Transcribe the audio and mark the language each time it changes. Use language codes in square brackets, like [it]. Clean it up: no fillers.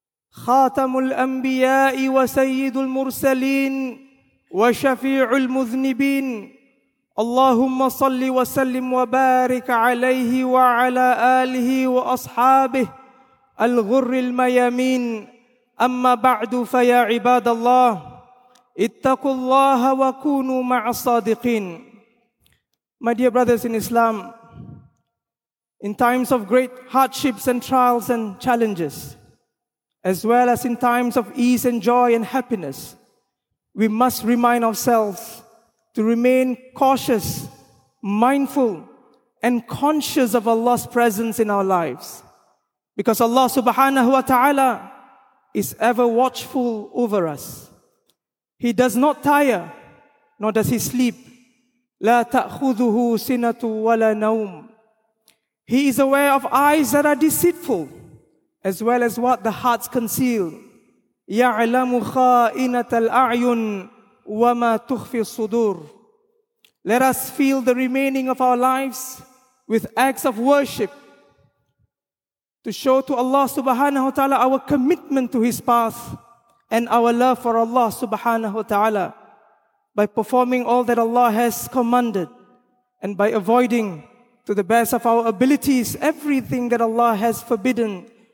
[ar] خاتم الأنبياء وسيد المرسلين وشفيع المذنبين اللهم صل وسلم وبارك عليه وعلى آله وأصحابه الغر الميامين أما بعد فيا عباد الله اتقوا الله وكونوا مع الصادقين. [en] My dear brothers in Islam, in times of great hardships and trials and challenges, as well as in times of ease and joy and happiness, we must remind ourselves to remain cautious, mindful, and conscious of Allah's presence in our lives. Because Allah subhanahu wa ta'ala is ever watchful over us. He does not tire, nor does he sleep. [ar] لا تأخذه سنة ولا نوم. [en] He is aware of eyes that are deceitful, as well as what the hearts conceal. [ar] يعلم خائنة الأعين وما تخفي الصدور. [en] Let us fill the remaining of our lives with acts of worship to show to Allah subhanahu wa ta'ala our commitment to his path and our love for Allah subhanahu wa ta'ala by performing all that Allah has commanded and by avoiding to the best of our abilities everything that Allah has forbidden.